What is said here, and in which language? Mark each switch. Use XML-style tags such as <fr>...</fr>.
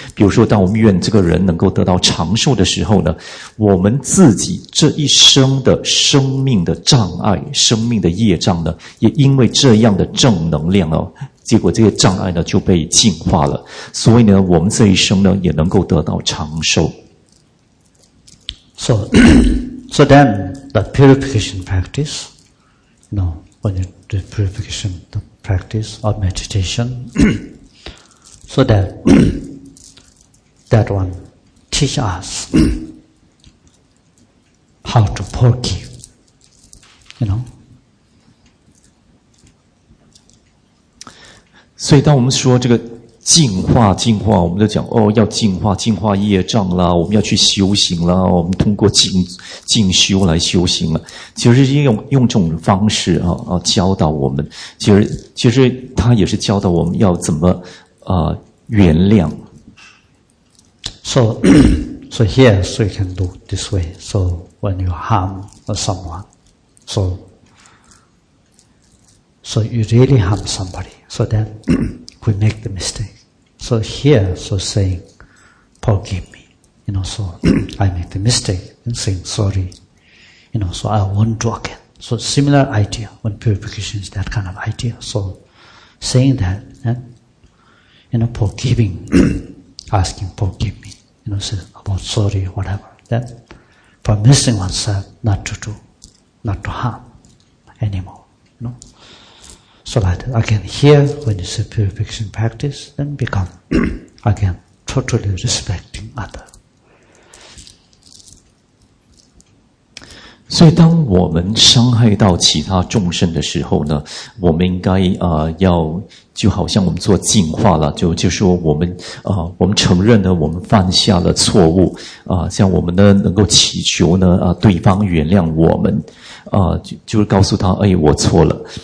<zh>比如说当我们愿这个人能够得到长寿的时候呢，我们自己这一生的生命的障碍、生命的业障呢，也因为这样的正能量哦，结果这些障碍呢就被净化了，所以呢我们这一生呢也能够得到长寿。</zh> <en>So then the purification practice, you know, when you do purification the practice or meditation, so that one teach us how to forgive, you know.</en> <zh>所以当我们说这个净化，我们就讲，哦，要净化业障啦，我们要去修行啦，我们通过进修来修行啦。其实是用这种方式啊教导我们，其实他也是教导我们要怎么原谅。</zh> <en>So here, so you can do this way. So when you harm someone, so you really harm somebody. So then, we make the mistake. So here, so saying, forgive me. You know, so I make the mistake and saying sorry. You know, so I won't do again. So similar idea when purification is that kind of idea. So saying that, then, you know, forgiving, asking forgive me, you know, say about sorry, whatever. Then, permitting oneself not to harm anymore, you know. So that again here, when you say purification practice, then become again totally respecting other.</en> <zh>所以当我们伤害到其他众生的时候呢，我们应该要就好像我们做净化了，就说我们我们承认呢我们犯下了错误像我们呢能够祈求呢对方原谅我们就告诉他哎我错了。</zh>